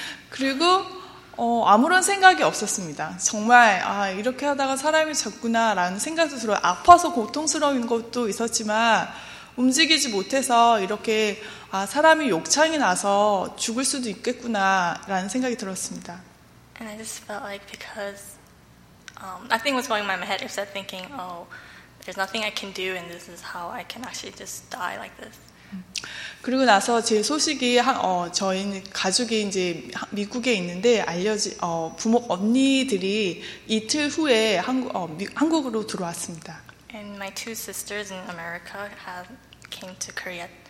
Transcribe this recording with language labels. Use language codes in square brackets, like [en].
[ko] 그리고 아무런 생각이 없었습니다. 정말 이렇게 하다가 사람이 죽구나라는 생각도 들어요. 아파서 고통스러운 것도 있었지만. 움직이지 못해서 이렇게 사람이 욕창이 나서 죽을 수도 있겠구나라는 생각이 들었습니다. [en] And I just felt like because nothing was going in my head except thinking, oh, there's nothing I can do, and this is how I can actually just die like this. [ko] 그리고 나서 제 소식이 저희 가족이 이제 미국에 있는데 부모 언니들이 이틀 후에 한국으로 들어왔습니다. [en] And my two sisters in America have came to Korea.